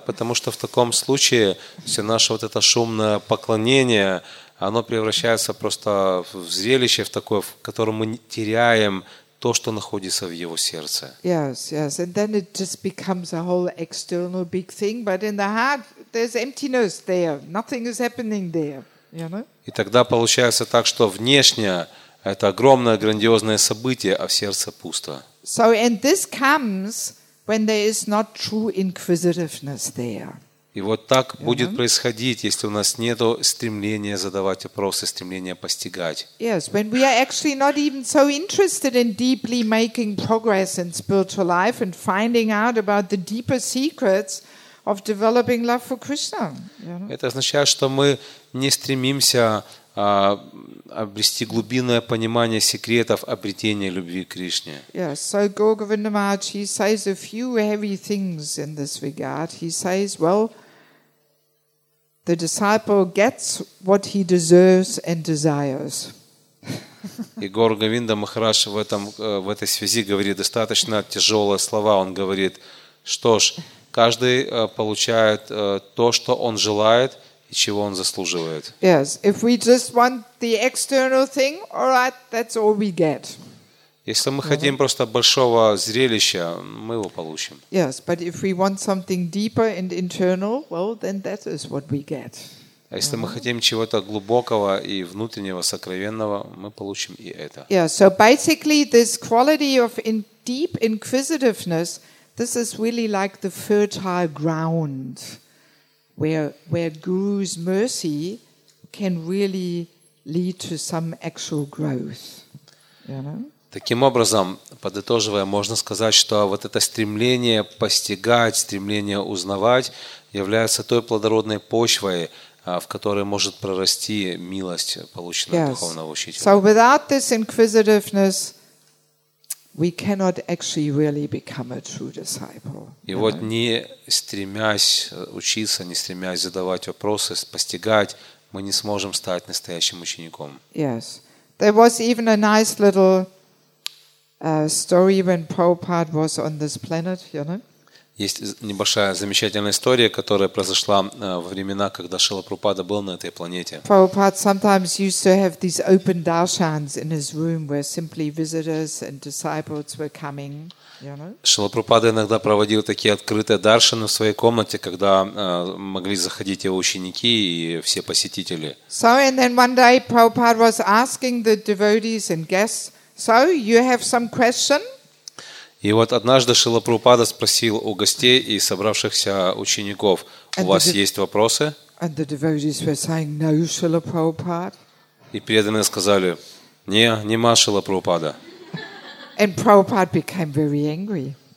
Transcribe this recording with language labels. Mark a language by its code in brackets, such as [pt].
[ru] Потому что в таком случае все наше вот это шумное поклонение, оно превращается просто в зрелище, в такое, в котором мы теряем то, что находится в его сердце. [en] Yes, yes. And then it just becomes a whole external big thing, but in the heart there's emptiness there. Nothing is happening there, you know? [ru] И тогда получается так, что внешне это огромное грандиозное событие, а в сердце пусто. [en] So and this comes when there is not true inquisitiveness there. [ru] И вот так будет происходить, если у нас нету стремления задавать вопросы, стремления постигать. [en] Yes, when we are actually not even so interested in deeply making progress in spiritual life and finding out about the deeper secrets of developing love for Krishna. [ru] Это означает, что мы не стремимся обрести глубинное понимание секретов обретения любви к Кришне. [en] Yes, so Gaura Vrindavaj, he says a few heavy things in this regard. He says, well, the disciple gets what he deserves and desires. [ru] И Гаура Говинда Махарадж в этой связи говорит достаточно тяжелые слова. Он говорит, что ж, каждый получает то, что он желает и чего он заслуживает. [en] Yes, if we just want the external thing, all right, that's all we get. [ru] Если мы хотим просто большого зрелища, мы его получим. [en] Yes, but if we want something deeper and internal, well, then that is what we get. [ru] А если мы хотим чего-то глубокого и внутреннего, сокровенного, мы получим и это. [en] Yeah, so basically this quality of deep inquisitiveness, this is really like the fertile ground where Guru's mercy can really lead to some actual growth. You know? [ru] Таким образом, подытоживая, можно сказать, что вот это стремление постигать, стремление узнавать является той плодородной почвой, в которой может прорасти милость, полученная [en] yes. [ru] от духовного учителя. [en] So without this inquisitiveness, we cannot actually really become a true disciple. [ru] И вот не стремясь учиться, не стремясь задавать вопросы, постигать, мы не сможем стать настоящим учеником. [en] Yes. There was even a nice little story when Prabhupada was on this planet, you know? [ru] Есть небольшая замечательная история, которая произошла во времена, когда Шрила Прабхупада был на этой планете. [en] Prabhupada sometimes used to have these open darshans in his room where simply visitors and disciples were coming, you know? [ru] Шрила Прабхупада иногда проводил такие открытые даршаны в своей комнате, когда могли заходить его ученики и все посетители. [en] So and then one day Prabhupada was asking the devotees and guests, so, you have some question? [ru] И вот однажды Шрила Прабхупада спросил у гостей и собравшихся учеников, у вас есть вопросы? [en] And the devotees were saying, no, Шрила Прабхупада. [ru] И преданные сказали, не ма Шрила Прабхупада. [en] And Prabhupada became very angry.